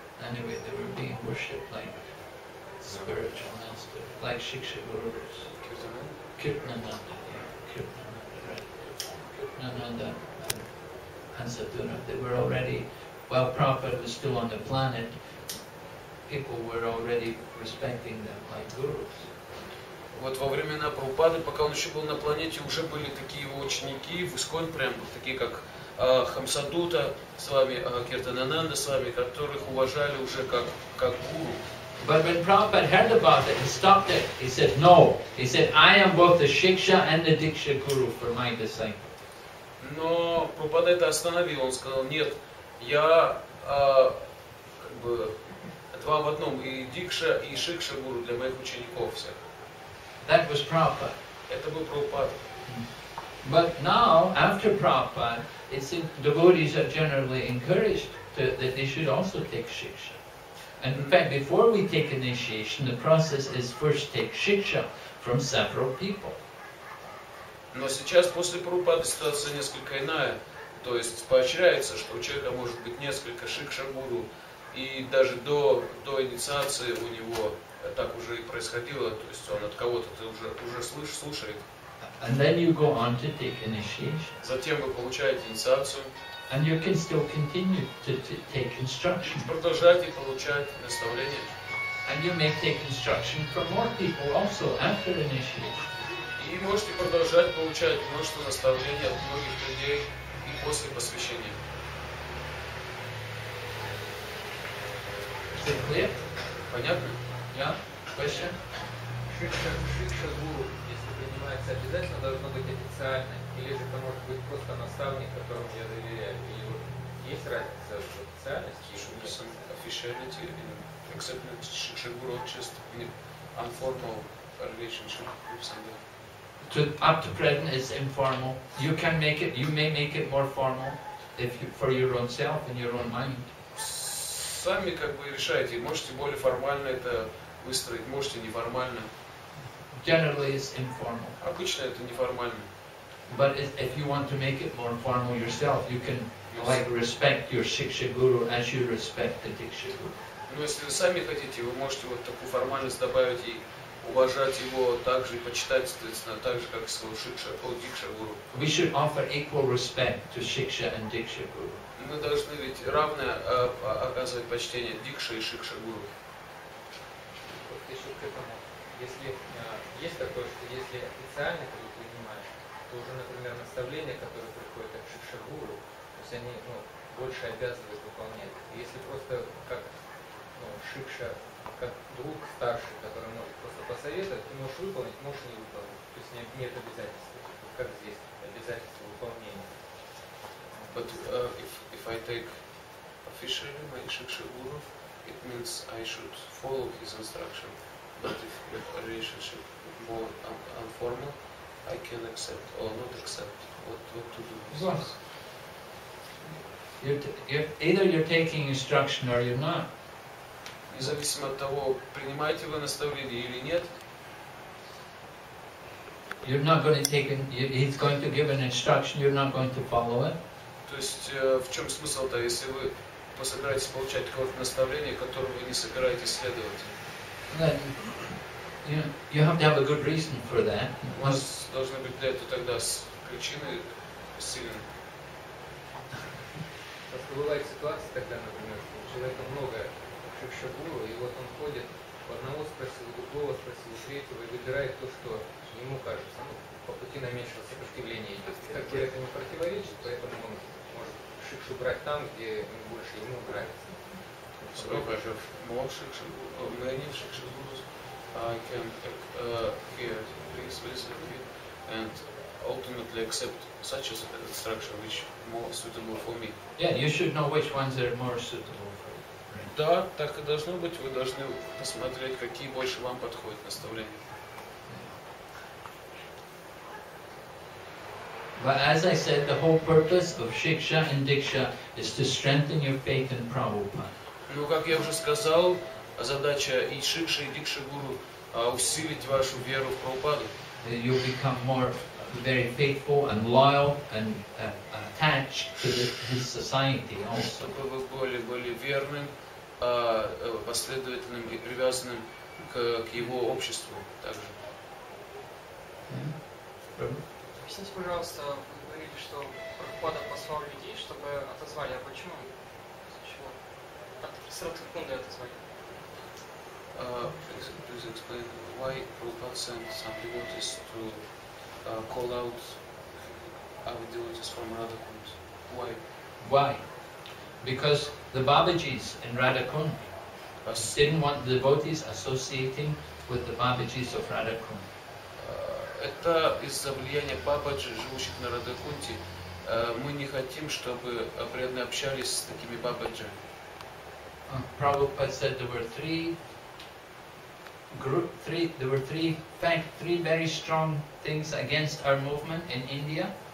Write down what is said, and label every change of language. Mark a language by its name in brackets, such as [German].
[English] Anyway, they were being worshipped like spiritual masters, like Shiksha Gurus. Kirtananda, right. Kirtananda and Hansa, they were already, while Prabhupada was still on the planet, people were already respecting them like gurus. [Russian] Вот во времена Прабхупады, пока он еще был на планете, уже были такие его ученики в ИСКОН, прям такие как Хамсадута с вами, Киртанананда с вами, которых уважали уже как гуру. [English] But when Prabhupada heard about it, he stopped it. He said, no. He said, I am both the Shiksha and the Diksha Guru for my disciples. [Russian] Но Прабхупада это остановил. Он сказал, нет, я как бы два в одном, и Дикша, и Шикша Гуру для моих учеников всех. [English] That was Prabhupada. [Russian] Это был Прабхупада. [English] But now, after Prabhupada, it seems devotees are generally encouraged that they should also take Shiksha. And in fact, before we take initiation, the process is first take Shiksha from several people. [Russian] Но сейчас, после Прабхупады, ситуация несколько иная. То есть, поощряется, что у человека может быть несколько Шикша Гуру. И даже до инициации у него так уже и происходило, то есть он от кого-то это уже слушает. [English] And then you go on to take initiation. [Russian] Затем вы получаете инициацию. [English] And you can still continue to take instruction. [Russian] Продолжайте получать наставления. [English] And you may take instruction from more people also after initiation. [Russian] И можете продолжать получать множество наставлений от многих людей и после посвящения. [English] Is it clear? [Russian] Понятно? [English] Yeah? Question? [Russian] Шикша Гуру, если принимается, обязательно должно быть официально, или же это может быть просто наставник, которому я доверяю, или вот есть разница в официальности? Шикша официальности, акцептно Шикша Гуру, чисто [English] informal relationship with somebody. Up to present it's informal. You can make it, you may make it more formal if you, for your own self and your own mind. [Russian] Сами как бы решаете, можете более формально это выстроить, можете неформально. [English] Generally it's informal. [Russian] Обычно это неформально. [English] But if you want to make it more formal yourself, you can yes. Like respect your Shiksha Guru as you respect the Diksha Guru. [Russian] Но если вы сами хотите, вы можете вот такую формальность добавить и уважать его так же и почитать, соответственно, так же, как своего Шикша и Дикша Гуру. [English] We should offer equal respect to Shiksha and Diksha Guru. [Russian] Мы должны ведь равное оказывать почтение Дикше и Шикше Гуру. Вот еще к этому. Если есть такое, что если официально ты принимаешь, то уже, например, наставления, которые приходят от Шикше Гуру, то есть они больше обязывают выполнять. Если просто как Шикша, как друг старший, который может просто посоветовать, ты можешь выполнить, можешь не выполнить. То есть нет обязательств. Как здесь обязательства выполнения. [English] But if I take officially my Shiksha Guru, it means I should follow his instruction. But if the relationship more informal, I can accept or not accept. What to do? Yes. Either you're taking instruction or you're not. [Russian] Независимо от того, принимаете вы наставление или нет. [English] You're not going to take it. He's going to give an instruction. You're not going to follow it. [Russian] То есть в чем смысл-то, если вы собираетесь получать какое-то наставление, которое вы не собираетесь следовать? [English] You have to have a good reason for that. [Russian] У вас должны быть для этого тогда причины сильные. Просто бывает ситуация тогда, например, у человека много Шикша Гуру, и вот он ходит, одного спросил, другого спросил, третьего, и выбирает то, что ему кажется. По пути на меньшее сопротивление идет. Как бы это не противоречит, поэтому он Шикшу брать там, где больше ему нравится. [English] So, I can hear this, and ultimately accept such a structure which more suitable for me. Yeah, you should know which ones are more suitable for you. Right? [Russian] Да, так и должно быть. Вы должны посмотреть, какие больше вам подходят наставления. [English] But as I said, the whole purpose of Shiksha and Diksha is to strengthen your faith in Prabhupada. [Russian] Ну, как я уже сказал, задача и Шикши, и Дикши Гуру усилить вашу веру в Прабхупаду. [English] You become more very faithful and loyal and attached to his society also. [Russian] Чтобы вы были верным, последовательным и привязанным к его обществу также. Объясните, пожалуйста, вы говорили, что Прабхупада послал людей, чтобы отозвали. А почему? Сарадхакунда отозвали. [English] Please explain why Prabhupada sent some devotees to call out our devotees from Radhakund. Why? Why? Because the Babajis in Radhakund didn't want the devotees associating with the Babajis of Radhakund. [Russian] Это из-за влияния Бабаджи, живущих на Радхакунте. Мы не хотим, чтобы преданные общались с такими Бабаджи. [English] Prabhupada said there were three very strong things against our movement in India.